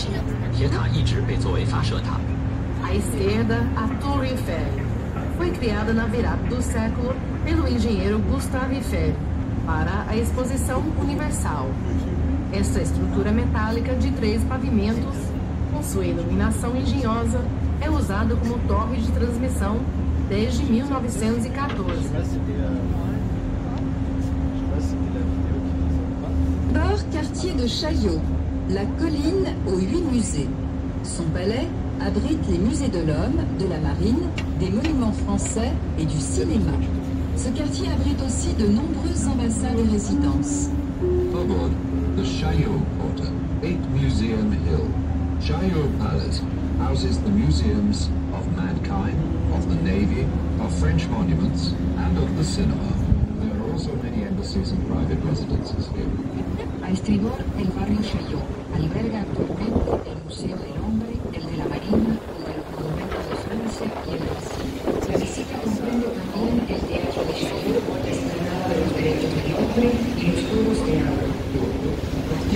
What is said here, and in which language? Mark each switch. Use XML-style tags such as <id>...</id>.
<zh>左先是埃菲尔铁塔，铁塔是本世纪初伍斯塔夫·埃菲尔为世界博览会而设计的。金属结构的塔身有三层，照明十分巧妙，而原来的照明是1925年雪铁龙设计的。自一战起，铁塔一直被作为发射塔。</zh> <pt>À esquerda, a Torre Eiffel. Foi criada na virada do século pelo engenheiro Gustave Eiffel para a Exposição Universal. Esta estrutura metálica de três pavimentos, com sua iluminação engenhosa, é usada como torre de transmissão desde 1914.</pt> <fr>Bord quartier de Chaillot, la colline aux huit musées. Son palais abrite les musées de l'homme, de la marine, des monuments français et du cinéma. Ce quartier abrite aussi de nombreuses ambassades et résidences.</fr> <en>Faubourg, the Chaillot Quarter, 8 Museum Hill. Chaillot Palace houses the museums of mankind, of the navy, of French monuments and of the cinema. There are also many embassies and private residences here.</en> <es>A estribor, el barrio Chaillot alberga actualmente el Museo del Hombre, el de la Marina, el Monumento de Francia y el Brasil. La visita comprende también el Teatro de Chaillot, destinado a los derechos del hombre y los juegos de agua.</es>